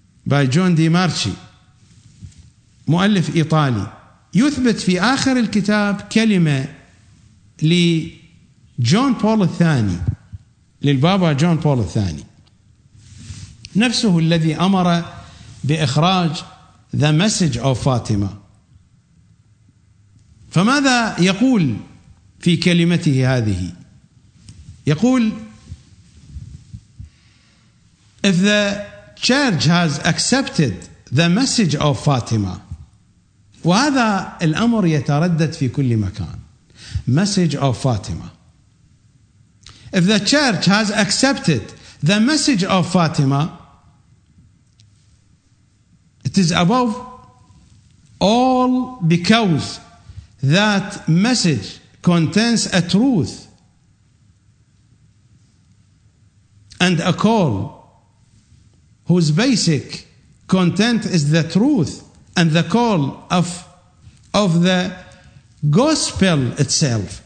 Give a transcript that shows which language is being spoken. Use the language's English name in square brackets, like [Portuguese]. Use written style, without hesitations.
[Arabic] by John دي مارشي، مؤلف إيطالي، يثبت في آخر الكتاب كلمة لجون بول الثاني، للبابا جون بول الثاني، نفسه الذي أمر بإخراج The Message of Fatima. فماذا يقول في كلمته هذه؟ يقول [English] If the church has accepted the message of Fatima, [Arabic] وهذا الأمر يتردد في كل مكان. [English] Message of Fatima. If the church has accepted the message of Fatima, it is above all because that message contains a truth and a call whose basic content is the truth and the call of the gospel itself.